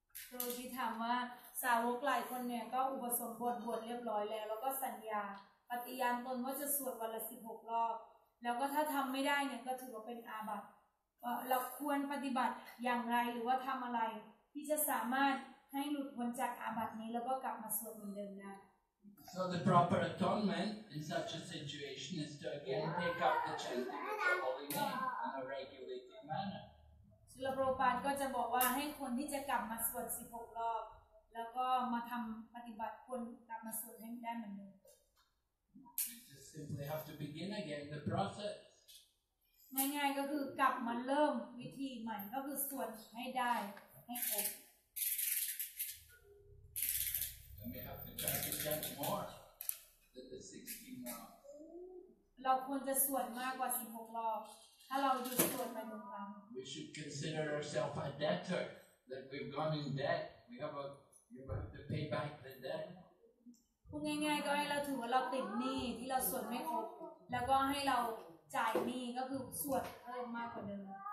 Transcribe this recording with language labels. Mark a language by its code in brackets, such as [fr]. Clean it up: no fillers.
[th] โดยที่ถามว่าสาวกหลายคนเนี่ยก็อุปสมบทบวชเรียบร้อยแล้วแล้วก็สัญญาปฏิญาณตนว่าจะสวดวันละ16รอบแล้วก็ถ้าทำไม่ได้เนี่ยก็ถือว่าเป็นอาบัติเราควรปฏิบัติอย่างไรหรือว่าทำอะไรที่จะสามารถให้หลุดพ้นจากอาบัตินี้แล้วก็กลับมาสวดเหมือนเดิมได้ [en] So the proper atonement in such a situation is to again pick up the chanting of the holy name in a regulated manner. [th] ชลโปรปานก็จะบอกว่าให้คนที่จะกลับมาสวด16รอบแล้วก็มาทำปฏิบัติคนกลับมาสวดให้ได้เหมือนเดิม [en] Just simply have to begin again the process [th] ง่ายๆก็คือกลับมาเริ่มวิธีใหม่ก็คือสวดให้ได้ให้ครบ [en] Then we have to try to chant more than the 16 rounds [th] เราควรจะสวดมากกว่า16รอบถ้าเราหยุดสวดไปหนึ่งครั้ง [en] We should consider ourselves a debtor that we've gone in debt. We have a you have to pay back the debt. [th] พูดง่ายๆก็ให้เราถือว่าเราติดหนี้ที่เราสวดไม่ครบแล้วก็ให้เราจ่ายหนี้ก็คือสวดเพิ่มมากกว่าเดิม